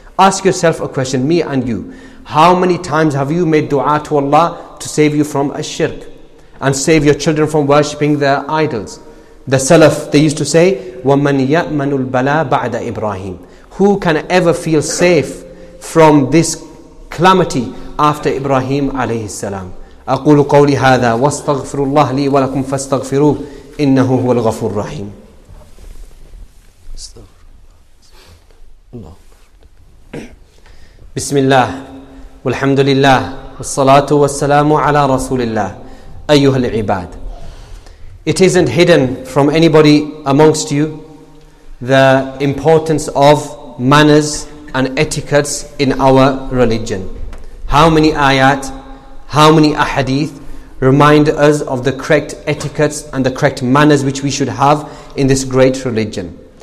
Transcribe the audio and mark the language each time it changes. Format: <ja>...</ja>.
<en>Ask yourself a question, me and you. How many times have you made dua to Allah to save you from a shirk and save your children from worshipping the idols? The Salaf, they used to say,</en> <ar>وَمَنْ يَأْمَنُ الْبَلَىٰ بَعْدَ إِبْرَاهِيمِ.</ar> <en>Who can ever feel safe from this calamity after Ibrahim alayhi salam.</en> <ar>أقول قولي هذا واستغفر الله لي ولكم فاستغفروه إنه هو الغفور الرحيم. بسم الله والحمد لله والصلاة والسلام على رسول الله أيها العباد.</ar> <en>It isn't hidden from anybody amongst you the importance of manners and etiquettes in our religion. How many ayat, how many ahadith remind us of the correct etiquettes and the correct manners which we should have in this great religion.</en>